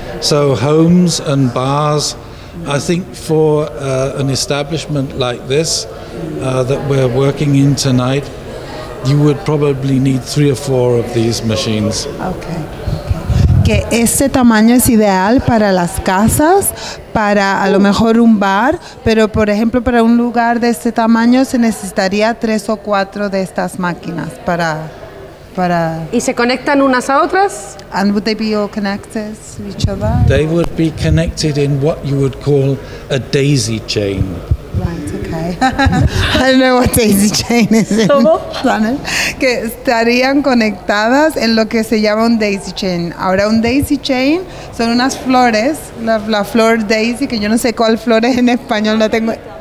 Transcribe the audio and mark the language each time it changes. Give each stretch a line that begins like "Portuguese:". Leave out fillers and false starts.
English: So homes and bars, I think for an establishment like this that we're working in tonight, you would probably need 3 or 4 of these machines. Okay.
Spanish: Que este tamaño es ideal para las casas, para a lo mejor un bar, pero por ejemplo para un lugar de este tamaño se necesitaría 3 o 4 de estas máquinas para... ¿Y se conectan unas a otras?
English: And would they be all connected to each other? They would be connected in what you would call a daisy chain. I don't know what daisy chain is.
Spanish: ¿Cómo? Que estarían conectadas en lo que se llama un daisy chain. Ahora, un daisy chain son unas flores, la flor daisy, que yo no sé cuál flor es en español, no tengo...